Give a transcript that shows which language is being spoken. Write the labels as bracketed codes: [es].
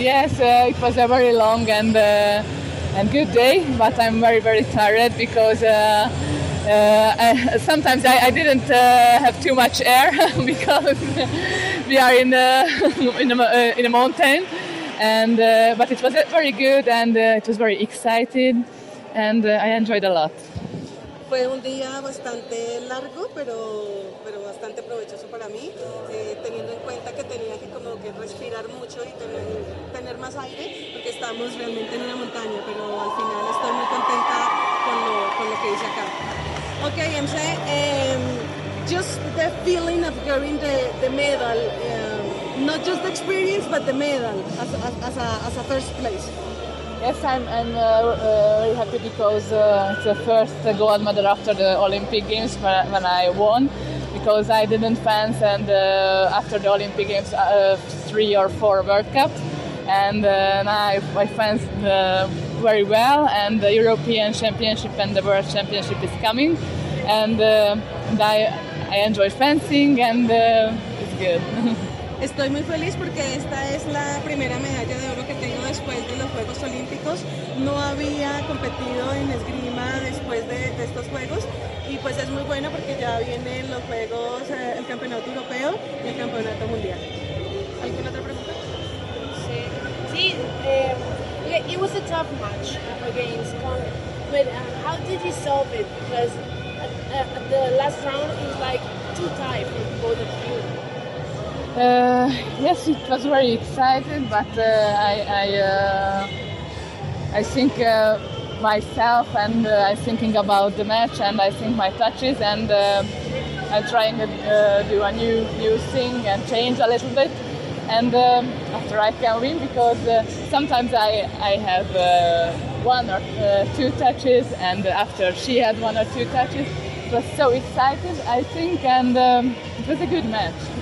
[en] Yes, it was a very long and good day, but I'm very, very tired because I didn't have too much air because we are in a mountain, but it was very good and it was very exciting and I enjoyed a lot. [es] Fue un día bastante largo, pero bastante provechoso para mí, teniendo en cuenta que tenía que como que respirar mucho y tener más aire, porque estamos realmente en una montaña, pero al final estoy muy contenta con lo que hice acá. [en] Okay, MC, just the feeling of getting the medal, not just the experience, but the medal as a first place. Yes, I'm really happy because it's the first gold medal after the Olympic Games when I won, because I didn't fence and after the Olympic Games 3 or 4 World Cup, and now I fenced very well, and the European Championship and the World Championship is coming, and I enjoy fencing and it's good. [es] Estoy muy feliz porque esta es la primera medalla de oro que tengo después de los Juegos Olímpicos. No había competido en esgrima después de estos Juegos y pues es muy bueno porque ya vienen los Juegos, el Campeonato Europeo y el Campeonato Mundial. ¿Alguna otra pregunta? Sí. [en] Yeah, it was a tough match against Colombia, but how did you solve it? Because the last round was like too tight for both of you. Yes, it was very exciting, but I think myself and I'm thinking about the match and I think my touches and I'm trying to do a new thing and change a little bit, and after I can win, because sometimes I have one or two touches, and after she had one or two touches, it was so exciting, I think, and it was a good match.